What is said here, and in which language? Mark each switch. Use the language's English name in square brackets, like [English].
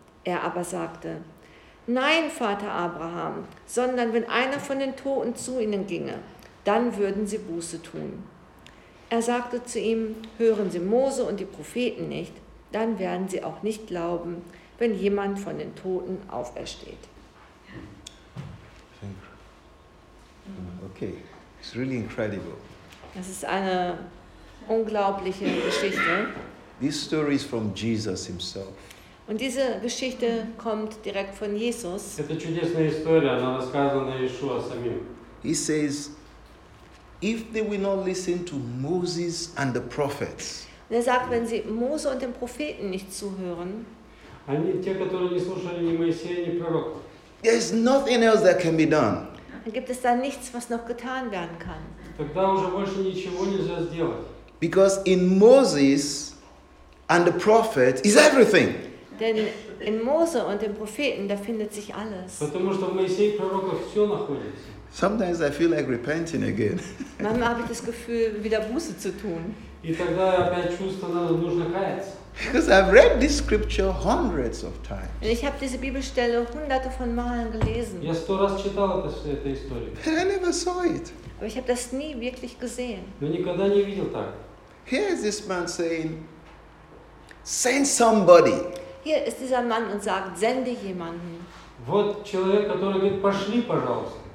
[German] Er aber sagte, nein, Vater Abraham, sondern wenn einer von den Toten zu ihnen ginge, dann würden sie Buße tun. Er sagte zu ihm, hören Sie Mose und die Propheten nicht, dann werden sie auch nicht glauben, wenn jemand von den Toten aufersteht. [English] Okay, it's really incredible. [German] Das ist eine unglaubliche Geschichte. [English] This story is from Jesus himself. [German] Und diese Geschichte kommt direkt von Jesus. [Russian] Это чудесная история, она рассказана Иешуа самим. [English] He says, if they will not listen to Moses and the prophets. [German] Und er sagt, wenn sie Mose und den Propheten nicht zuhören. [Russian] Они те, которые не слушали ни Моисея, ни пророков. [English] There is nothing else that can be done. [German] Dann gibt es da nichts, was noch getan werden kann. [Russian] Тогда уже больше ничего нельзя сделать. [English] Because in Moses and the prophet is everything. [German] Denn in Mose und den Propheten, da findet sich alles. [Russian] Потому что в Моисее пророков все находится. [English] Sometimes I feel like repenting again. [German] Manchmal habe ich das Gefühl, wieder Buße zu tun. [Russian] И тогда опять чувство, надо нужно каяться. [English] Because I've read this scripture hundreds of times. [German] Und ich habe diese Bibelstelle hunderte von Malen gelesen. [Russian] Я 100 раз читал эту историю. [English] But I never saw it. [German] Aber ich habe das nie wirklich gesehen. [Russian] Но никогда не видел так. [English] Here is this man saying, send somebody. [German] Hier ist dieser Mann und sagt, sende jemanden. [Russian] Вот человек, который говорит, пошли, пожалуйста.